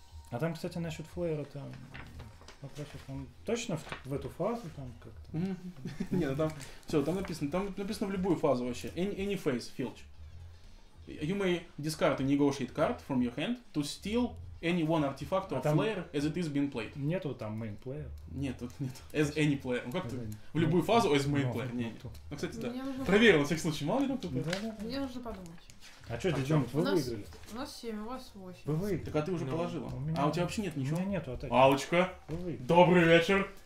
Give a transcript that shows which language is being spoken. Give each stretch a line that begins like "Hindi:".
Russian: Надеюсь. А там, кстати, насчет флэйра там вопросов. Он точно в эту фазу там как-то? Не, ну там все, там написано. Там написано в любую фазу вообще.
English: Any phase, Filch. You may discard a negotiate card from your hand to steal any one artifact or flair as it is being played.
Russian: Нету там main player? Нет, тут нет.
English: As any player.
Russian: Ну как-то в любую фазу
English: as main player.
Russian: Не, нет. Ну, кстати, да. Проверил на всякий случай. Мало ли там кто-то? Мне нужно подумать. А что, Дидюм, вы выиграли? У нас 7, у вас 8. Вы выиграли. Так а ты уже положила. А у тебя вообще нет ничего? У меня нету атаки. Аллочка, добрый вечер.